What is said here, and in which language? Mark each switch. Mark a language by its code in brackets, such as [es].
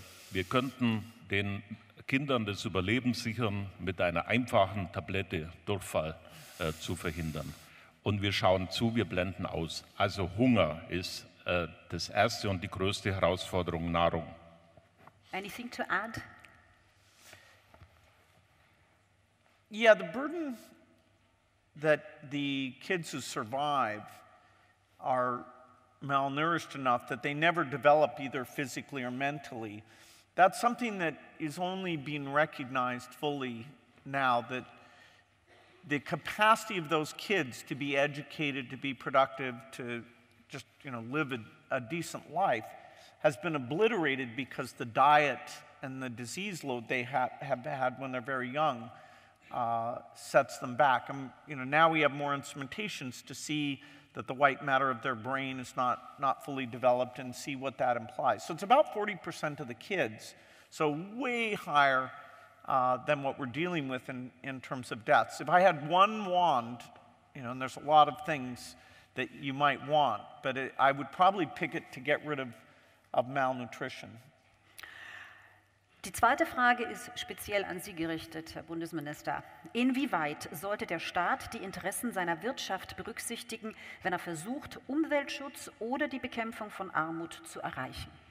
[de] Wir könnten den Kindern das Überleben sichern, mit einer einfachen Tablette Durchfall zu verhindern. Und wir schauen zu, wir blenden aus. Also Hunger ist das erste und die größte Herausforderung, Nahrung. [en] Anything to add? Yeah, the burden that the kids who survive are malnourished enough that they never develop either physically or mentally. That's something that is only being recognized fully now, that the capacity of those kids to be educated, to be productive, to just, you know, live a decent life has been obliterated because the diet and the disease load they have had when they're very young sets them back. And, you know, now we have more instrumentations to see that the white matter of their brain is not fully developed and see what that implies. So it's about 40% of the kids, so way higher than what we're dealing with in terms of deaths. If I had one wand, you know, and there's a lot of things that you might want, but I would probably pick it to get rid of malnutrition. [de] Die zweite Frage ist speziell an Sie gerichtet, Herr Bundesminister. Inwieweit sollte der Staat die Interessen seiner Wirtschaft berücksichtigen, wenn er versucht, Umweltschutz oder die Bekämpfung von Armut zu erreichen?